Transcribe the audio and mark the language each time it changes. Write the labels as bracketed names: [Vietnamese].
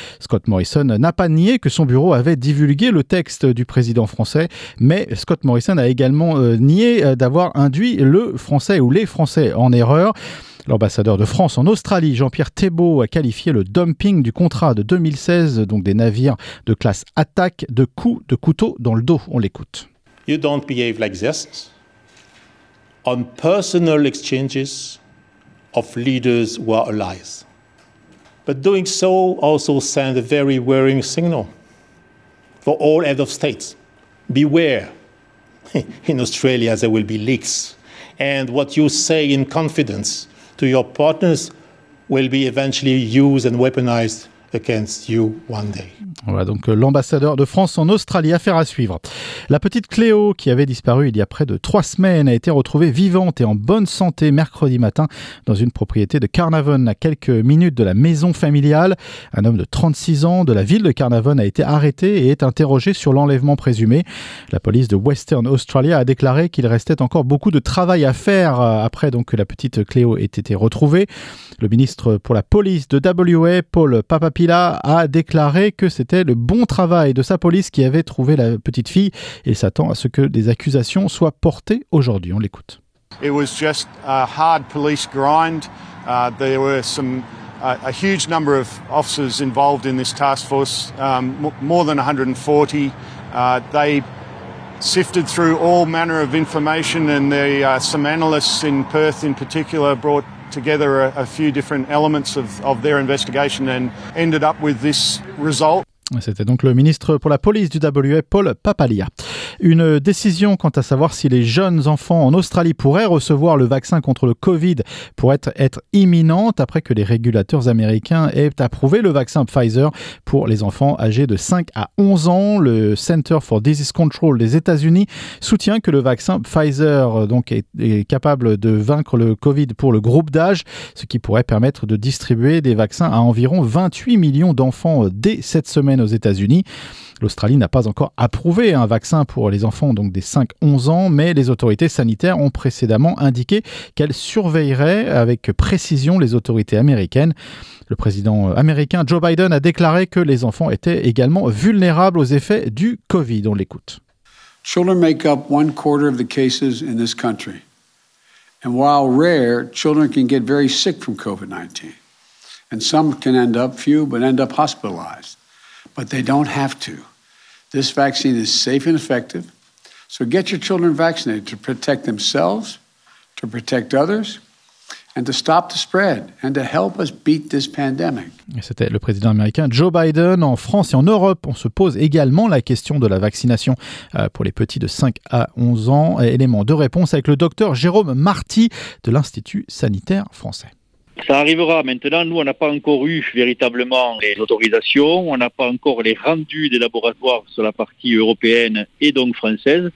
[French] Scott Morrison n'a pas nié que son bureau avait divulgué le texte du président français, mais Scott Morrison a également nié d'avoir induit le français ou les français en erreur. L'ambassadeur de France en Australie, Jean-Pierre Thébault, a qualifié le dumping du contrat de 2016, donc des navires de classe attaque, de coups de couteau dans le dos. On l'écoute. [English] You don't behave like this on personal exchanges of leaders who are allies. But doing so also sends a very worrying signal for all heads of states. Beware. In Australia, there will be leaks. And what you say in confidence to your partners will be eventually used and weaponized against you one day. [French] Voilà donc l'ambassadeur de France en Australie, affaire à suivre. La petite Cléo, qui avait disparu il y a près de 3 semaines, a été retrouvée vivante et en bonne santé mercredi matin dans une propriété de Carnarvon, à quelques minutes de la maison familiale. Un homme de 36 ans de la ville de Carnarvon a été arrêté et est interrogé sur l'enlèvement présumé. La police de Western Australia a déclaré qu'il restait encore beaucoup de travail à faire après donc que la petite Cléo ait été retrouvée. Le ministre pour la police de WA, Paul Papapila, a déclaré que c'était le bon travail de sa police qui avait trouvé la petite fille. Il s'attend à ce que des accusations soient portées aujourd'hui. On l'écoute. [English] It was just a hard police grind. There were a huge number of officers involved in this task force, more than 140. They sifted through all manner of information, and some analysts in Perth in particular brought together a few different elements of their investigation and ended up with this result. [French] C'était donc le ministre pour la police du WA, Paul Papalia. Une décision quant à savoir si les jeunes enfants en Australie pourraient recevoir le vaccin contre le Covid pourrait être imminente après que les régulateurs américains aient approuvé le vaccin Pfizer pour les enfants âgés de 5 à 11 ans. Le Center for Disease Control des États-Unis soutient que le vaccin Pfizer donc est capable de vaincre le Covid pour le groupe d'âge, ce qui pourrait permettre de distribuer des vaccins à environ 28 millions d'enfants dès cette semaine aux États-Unis. L'Australie n'a pas encore approuvé un vaccin pour les enfants donc des 5-11 ans, mais les autorités sanitaires ont précédemment indiqué qu'elles surveilleraient avec précision les autorités américaines. Le président américain Joe Biden a déclaré que les enfants étaient également vulnérables aux effets du Covid. On l'écoute. [English] Children make up one quarter of the cases in this country. And while rare, children can get very sick from COVID-19. And some can end up, few, but end up hospitalized. But they don't have to. This vaccine is safe and effective. So get your children vaccinated to protect themselves, to protect others, and to stop the spread, and to help us beat this pandemic. [French] Et c'était le président américain Joe Biden. En France et en Europe, on se pose également la question de la vaccination pour les petits de 5 à 11 ans. Élément de réponse avec le docteur Jérôme Marty de l'Institut sanitaire français. Ça arrivera. Maintenant, nous, on n'a pas encore eu véritablement les autorisations, on n'a pas encore les rendus des laboratoires sur la partie européenne et donc française.